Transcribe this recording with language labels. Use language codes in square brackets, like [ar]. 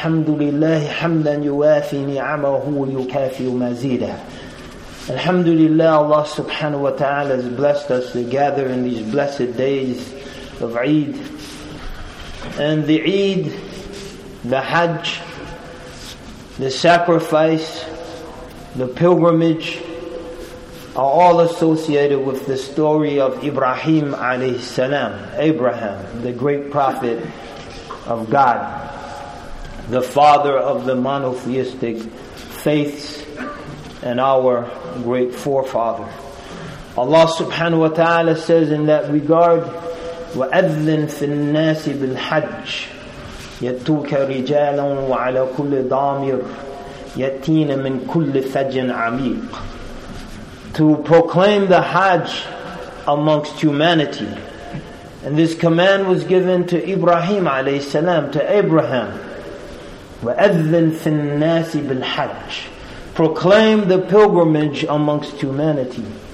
[ar] لله حمدا يوافي نعمه ويكافي مزيده [en] Alhamdulillah, Allah subhanahu wa ta'ala has blessed us to gather in these blessed days of Eid. And the Eid, the Hajj, the sacrifice, the pilgrimage are all associated with the story of Ibrahim alayhi salam, Abraham, the great prophet of God, the father of the monotheistic faiths and our great forefather. Allah subhanahu wa ta'ala says in that regard, [ar] وَأَذِّنْ فِي النَّاسِ بِالْحَجِّ يَتُوكَ رِجَالًا وَعَلَى كُلِّ ضَامِرٍ يَتِينَ مِنْ كُلِّ فَجٍ عَمِيقٍ. [en] To proclaim the Hajj amongst humanity. And this command was given to Ibrahim alayhi salam, to Abraham. [ar] وَأَذِّنْ فِي النَّاسِ بِالْحَجِّ. [en] Proclaim the pilgrimage amongst humanity.